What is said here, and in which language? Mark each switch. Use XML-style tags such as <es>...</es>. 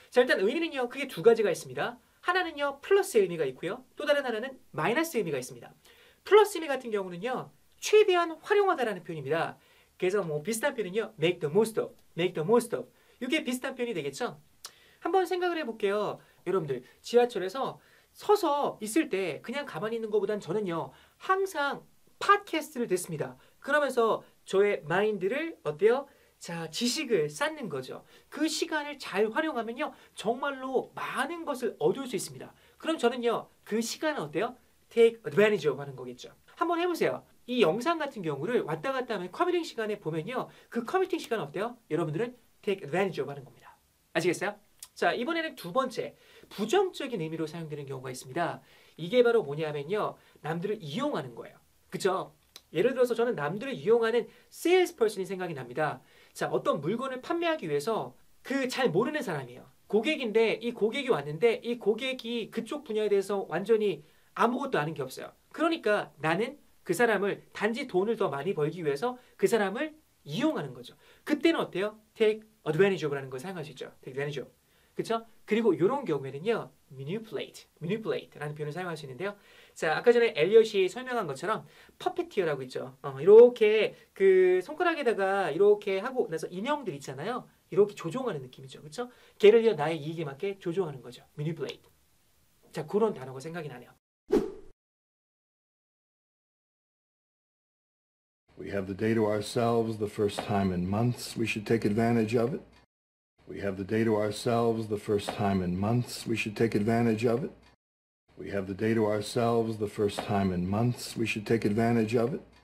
<ko>자, 일단 의미는요, 크게 두 가지가 있습니다. 하나는요, 플러스 의미가 있고요. 또 다른 하나는 마이너스 의미가 있습니다. 플러스 의미 같은 경우는요, 최대한 활용하다라는 표현입니다. 그래서 뭐 비슷한 표현은요, make the most of, make the most of. 이게 비슷한 표현이 되겠죠? 한번 생각을 해볼게요. 여러분들, 지하철에서 서서 있을 때 그냥 가만히 있는 것보단 저는요, 항상 팟캐스트를 듣습니다. 그러면서 저의 마인드를 어때요? 자, 지식을 쌓는 거죠. 그 시간을 잘 활용하면요, 정말로 많은 것을 얻을 수 있습니다. 그럼 저는요, 그 시간은 어때요? Take advantage of 하는 거겠죠. 한번 해보세요. 이 영상 같은 경우를 왔다 갔다 하면 커뮤팅 시간에 보면요, 그 커뮤팅 시간은 어때요? 여러분들은 take advantage of 하는 겁니다. 아시겠어요? 자, 이번에는 두 번째, 부정적인 의미로 사용되는 경우가 있습니다. 이게 바로 뭐냐면요, 남들을 이용하는 거예요. 그쵸? 예를 들어서 저는 남들을 이용하는 세일스 퍼슨이 생각이 납니다. 자, 어떤 물건을 판매하기 위해서 그 잘 모르는 사람이에요. 고객인데 이 고객이 왔는데 이 고객이 그쪽 분야에 대해서 완전히 아무것도 아는 게 없어요. 그러니까 나는 그 사람을 단지 돈을 더 많이 벌기 위해서 그 사람을 이용하는 거죠. 그때는 어때요? Take advantage of라는 걸 사용할 수 있죠.</ko> <en>Take advantage of.</en> <ko>그쵸? 그리고 이런 경우에는요.</ko> <en>Manipulate.</en> <ko>Manipulate라는 표현을 사용할 수 있는데요. 자, 아까 전에 엘리엇이 설명한 것처럼 퍼피티어라고 있죠. 이렇게 그 손가락에다가 이렇게 하고 나서 인형들 있잖아요. 이렇게 조종하는 느낌이죠. 그쵸? 걔를 나의 이익에 맞게 조종하는 거죠.</ko> <en>Manipulate.</en> <ko>자, 그런 단어가 생각이 나네요.</ko> <en>We have the day to ourselves the first time in months. We should take advantage of it. We have the day to ourselves the first time in months. We should take advantage of it. We have the day to ourselves the first time in months. We should take advantage of it.</en>